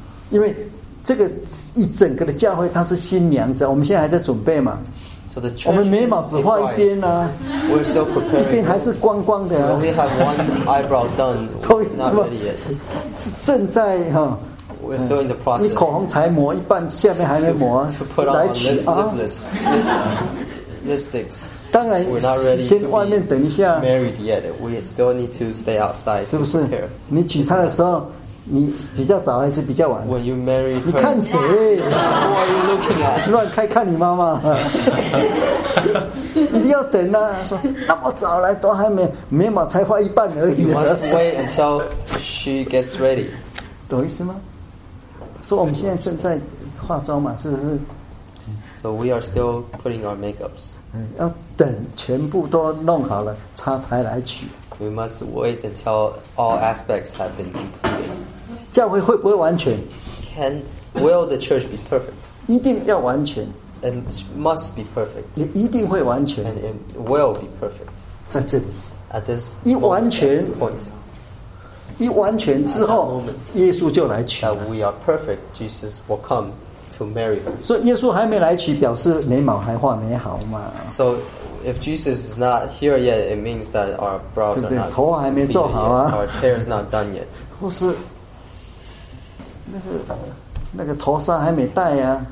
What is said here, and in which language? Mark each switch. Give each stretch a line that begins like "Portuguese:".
Chinese: 因为这个一整个的教会，它是新娘子，我们现在还在准备嘛。
English: So、the
Chinese: 我们眉毛只画一边呢、啊，一边还是光光的、啊。
English: We have one eyebrow done, not ready yet.
Chinese: 是正在哈。
English: We're still in the process.
Chinese: 你口红才抹一半，下面还没抹，来取啊
English: ！Lipsticks.
Chinese: 当然，
English: we're not ready
Chinese: 先外面等一下。
English: Married yet? We still need to stay outside.
Chinese: 是不是？你娶她的时候，你比较早还是比较晚
English: ？When you marry her,
Chinese: 你看谁
English: ？Who are you looking at?
Chinese: 乱开看你妈妈。一定要等啊！说那么早来都还没，眉毛才画一半而已。
English: You must wait until she gets ready.
Chinese: 懂意思吗？所以我们现在正在化妆嘛，是不是
English: ？So we are still putting our makeups.
Chinese: 要等全部都弄好了，他才来取。
English: We must wait until all aspects have been completed.
Chinese: 教会会不会完全
English: ？Can will the church be perfect?
Chinese: 一定要完全
English: ，and must be perfect.
Chinese: 也一定会完全
English: ，and it will be perfect.
Chinese: 在这里
English: ，at this
Chinese: 一完全
English: point.
Chinese: 一完全之后
English: moment,
Chinese: 耶稣就来娶了
English: we are perfect, Jesus will come to marry her.
Chinese: 所以耶稣还没来娶表示眉毛还画没好嘛
English: So if Jesus is not here yet it means that our brows are
Chinese: 对不对
English: not
Chinese: 头还没做好啊
English: our hair is not done yet
Chinese: 或是那个头纱还没戴啊